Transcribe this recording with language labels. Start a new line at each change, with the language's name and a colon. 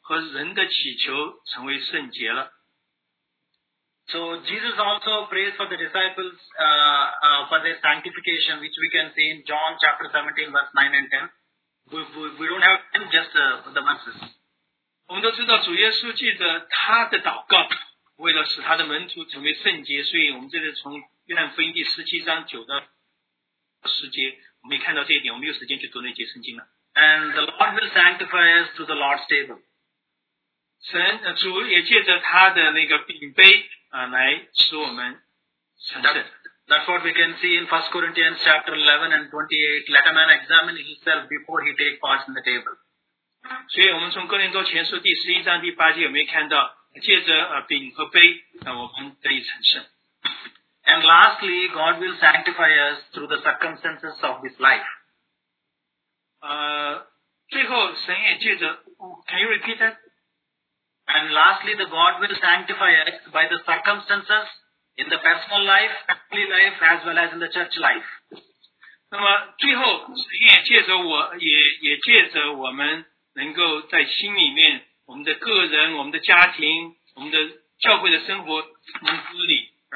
Chinese: 都因神的道和人的祈求成为圣洁了。
English: So Jesus also prays for the disciples for their sanctification, which we can see in John chapter 17, verse 9 and 10. We don't have time, just the verses.
Chinese: 我们都知道主耶稣记得他的祷告，为了使他的门徒成为圣洁，所以我们这里从约翰福音第17章9到10节，我们没看到这一点，我们没有时间去读那节圣经了。
English: And the Lord will sanctify us to the Lord's table.
Chinese: 神主也借着他的那个饼杯。 来使我们
English: That's what we can see in 1 Corinthians chapter 11 and 28. Let a man examine himself before he take part in the table.
Chinese: 所以我们从哥林多前书第11章第8节有没有看到，借着饼和杯，我们得以成圣。
English: And lastly, God will sanctify us through the circumstances of this life.
Chinese: 最后神也借着,
English: can you repeat that? And lastly, the God will sanctify us by the circumstances in the personal life, family life, as well as in the church life.
Chinese: 那么最后神也借着我们能够在心里面，我们的个人、我们的家庭、我们的教会的生活，能够里。